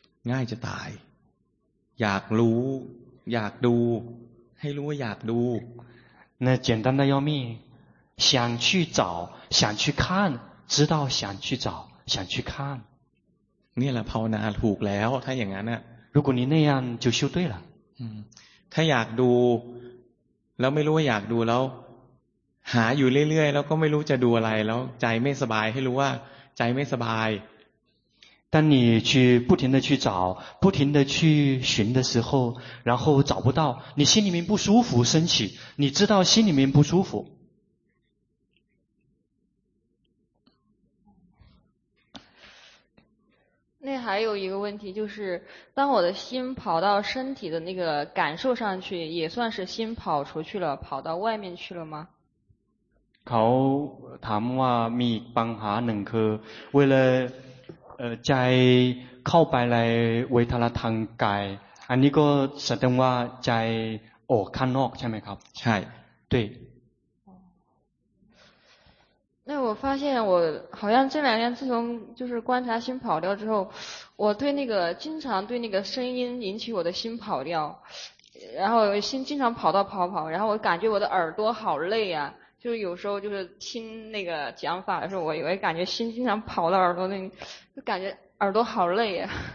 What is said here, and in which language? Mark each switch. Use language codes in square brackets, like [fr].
[th] ง่ายจะตายอยากรู้อยากดูให้รู้ว่าอยากดู [zh] 那简单的要命想去找想去看知道想去找想去看 [th] นี่แหละภาวนาถูกแล้วถ้าอย่างนั้นอะ [zh] 如果你那样就修对了 [th] ถ้าอยากดูแล้วไม่รู้ว่าอยากดูแล้วหาอยู่เรื่อยๆแล้วก็ไม่รู้จะดูอะไรแล้วใจไม่สบายให้รู้ว่าใจไม่สบาย [zh] 当你去不停的去找不停的去寻的时候然后找不到你心里面不舒服升起你知道心里面不舒服那还有一个问题就是当我的心跑到身体的那个感受上去也算是心跑出去了跑到外面去了吗 [th] เขาถามว่ามีปัญหาหนึ่งคือเวลาใจเข้าไปในเวทนาทางกายอันนี้ก็แสดงว่าใจออกข้างนอกใช่ไหมครับ ใช่ [zh] 对那我发现我好像这两天自从就是观察心跑掉之后我对那个经常对那个声音引起我的心跑掉然后心经常跑到跑跑然后我感觉我的耳朵好累啊就有时候就是听那个讲法的时候我以为感觉心经常跑到耳朵那里就感觉耳朵好累啊